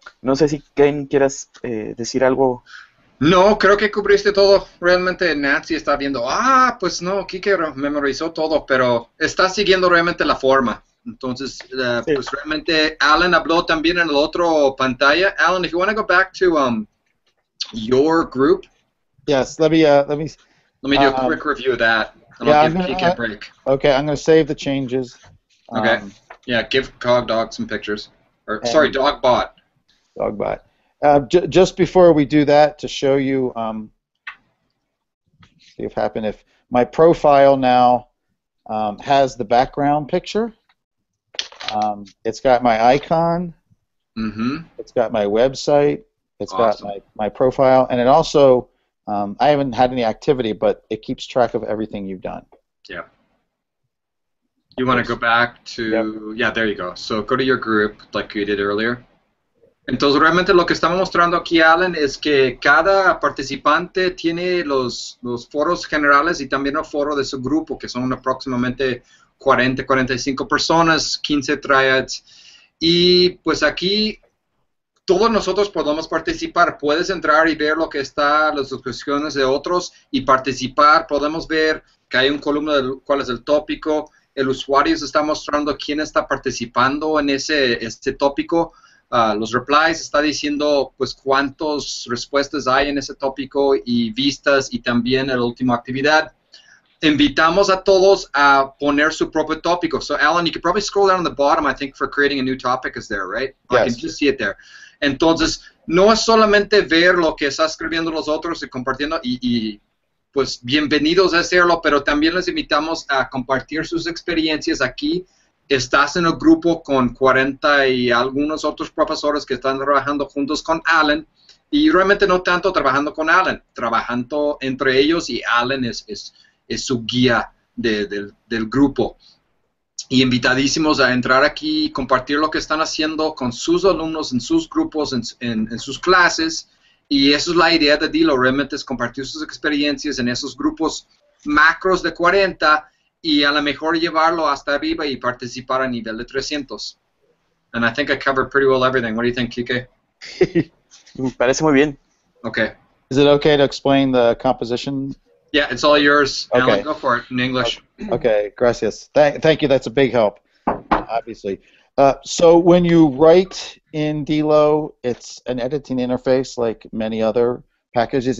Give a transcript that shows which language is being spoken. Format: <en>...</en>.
<es>No sé si Ken quieras decir algo. No, creo que cubriste todo. Realmente Nancy está viendo, pues no, Kike memorizó todo, pero está siguiendo realmente la forma. Entonces, sí. Pues realmente Alan habló también en la otra pantalla.</es> <en>Alan, if you want to go back to your group. Yes, let me do a quick review of that. And yeah, I'll give Kike a break. Okay, I'm going to save the changes. Okay, yeah, give CogDog some pictures. DogBot. DogBot. Just before we do that, to show you, see what happened. If my profile now has the background picture, it's got my icon, mm-hmm. It's got my website, it's awesome. Got my profile, and it also, I haven't had any activity, but it keeps track of everything you've done. Yeah. You want to go back to, yeah, there you go. So go to your group like you did earlier.</en> <es>Entonces, realmente lo que estamos mostrando aquí, Alan, es que cada participante tiene los foros generales y también el foro de su grupo, que son aproximadamente 40, 45 personas, 15 triads. Y pues aquí todos nosotros podemos participar. Puedes entrar y ver lo que está, las discusiones de otros y participar. Podemos ver que hay un columno de cuál es el tópico. El usuario se está mostrando quién está participando en ese tópico. Los replies está diciendo pues cuántas respuestas hay en ese tópico y vistas y también la última actividad. invitamos a todos a poner su propio tópico. So, Alan, you could probably scroll down on the bottom, I think, for creating a new topic is there, right? Yes. I can just see it there. Entonces, no es solamente ver lo que está escribiendo los otros y compartiendo, y pues bienvenidos a hacerlo, pero también les invitamos a compartir sus experiencias aquí. Estás en el grupo con 40 y algunos otros profesores que están trabajando juntos con Alan, y realmente no tanto trabajando con Alan, trabajando entre ellos, y Alan es su guía del grupo. Y invitadísimos a entrar aquí y compartir lo que están haciendo con sus alumnos, en sus grupos, en sus clases, y esa es la idea de Dilo, realmente es compartir sus experiencias en esos grupos macros de 40, y a lo mejor llevarlo hasta arriba y participar a nivel de 300.</es> <en>And I think I covered pretty well everything. What do you think, Kike?</en> <es>Me parece muy bien.</es> <en>Okay. Is it okay to explain the composition? Yeah, it's all yours. Okay. Alan, go for it in English. Okay,</en> <es>gracias.</es> <en>Thank you. That's a big help, obviously. So when you write in Dilo, it's an editing interface like many other packages.</en>